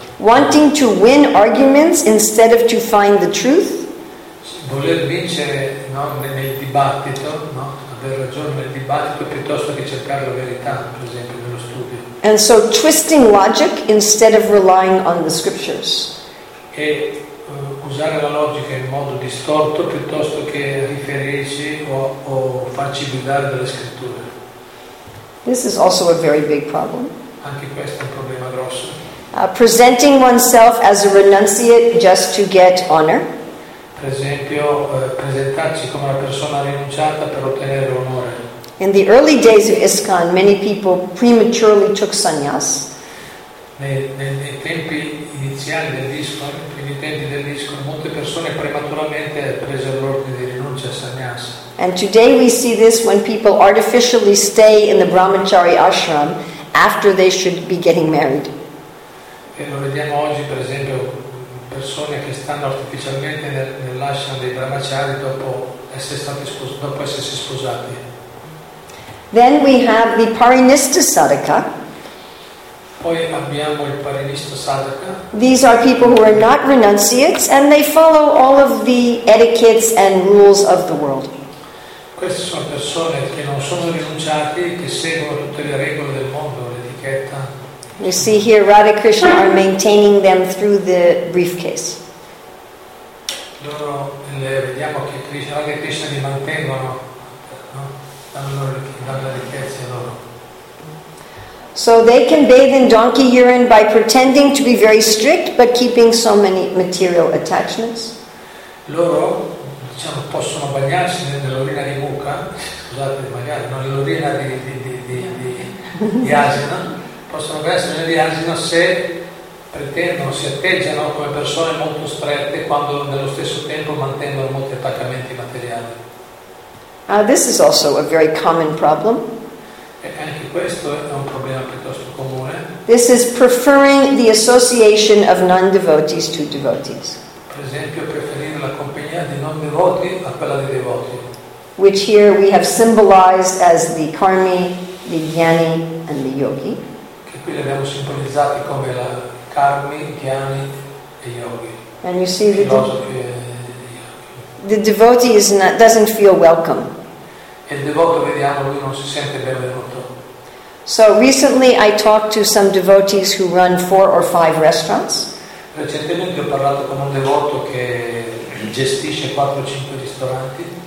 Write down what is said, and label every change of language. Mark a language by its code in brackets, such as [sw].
[en] Wanting to win arguments instead of to find the truth. [it] Voler vincere, no, nel dibattito, no, aver ragione nel dibattito piuttosto che cercare la verità, per esempio nello studio. [en] And so twisting logic instead of relying on the scriptures. [it] E usare la logica in modo distorto piuttosto che riferirci o farci guidare dalle scritture. [en] This is also a very big problem. [it] Anche questo è un problema grosso. [en] Presenting oneself as a renunciate just to get honor. [it] Per esempio, presentarci come una persona rinunciata per ottenere onore. [en] In the early days of ISKCON, many people prematurely took sannyas. [it] Nei tempi iniziali del ISKCON, nei primi tempi del ISKCON, molte persone prematuramente presero l'ordine di rinuncia a sannyas. [en] And today we see this when people artificially stay in the brahmachari ashram after they should be getting married. [it] E lo vediamo oggi, per esempio, persone che stanno artificialmente nell'ashram dei brahmachari dopo essersi sposati. [en] Then we have the parinista sadhaka. [it] Poi abbiamo il parinista sadhaka. [en] These are people who are not renunciates and they follow all of the etiquettes and rules of the world. [it] Queste sono persone che non sono rinunciati, che seguono tutte le regole del mondo, l'etichetta. [en] You see here Radha Krishna are maintaining them through the briefcase. [it] Loro vediamo che Radha Krishna li mantengono, no? Dalla ricchezza loro. [en] So they can bathe in donkey urine by pretending to be very strict but keeping so many material attachments. [it] Loro, diciamo, possono bagnarsi nell'urina di mucca, scusate, magari non nell'urina di asino. Possono essere di asino se pretendono, si atteggiano come persone molto strette quando nello stesso tempo mantengono molti attaccamenti materiali. [en] This is also a very common problem. [it] E anche questo è un problema piuttosto comune. [en] This is preferring the association of non-devotees to devotees. [it] Per esempio, preferire la compagnia di non devoti a quella dei devoti. [en] Which here we have symbolized as the karmi, the jnani, and the yogi. [it] Qui li abbiamo simbolizzati come la karmi, jnani e yogi. [en] And you see the devotee is not, doesn't feel welcome. [it] E il devoto, vediamo, lui non si sente benvenuto. [en] So recently I talked to some devotees who run 4 or 5 restaurants. [it] Recentemente ho parlato con un devoto che gestisce 4 o 5 ristoranti.